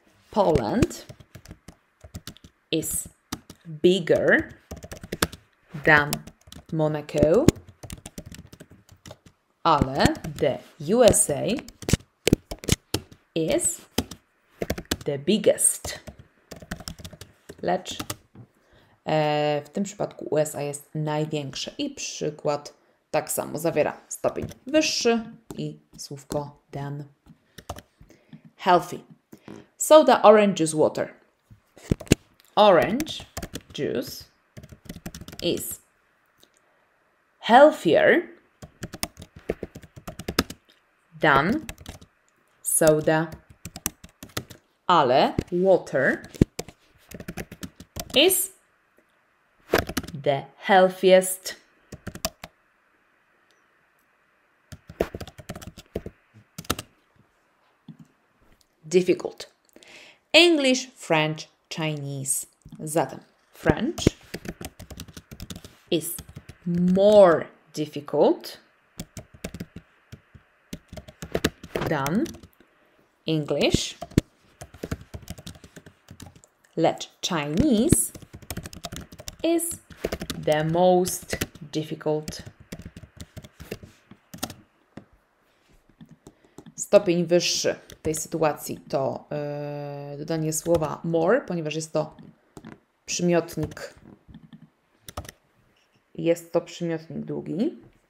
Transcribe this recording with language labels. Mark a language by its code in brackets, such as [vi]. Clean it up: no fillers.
[en] Poland is bigger than Monaco, ale the USA is the biggest. [pl] Lecz w tym przypadku USA jest największe. I przykład tak samo zawiera stopień wyższy i słówko than. [en] Healthy. Soda, orange juice, water. Orange juice is healthier than soda. Ale water is the healthiest. Difficult. English, French, Chinese. Zatem French is more difficult than English. lecz Chinese is the most difficult. [pl] Stopień wyższy tej sytuacji to dodanie słowa more, ponieważ jest to przymiotnik. Jest to przymiotnik długi.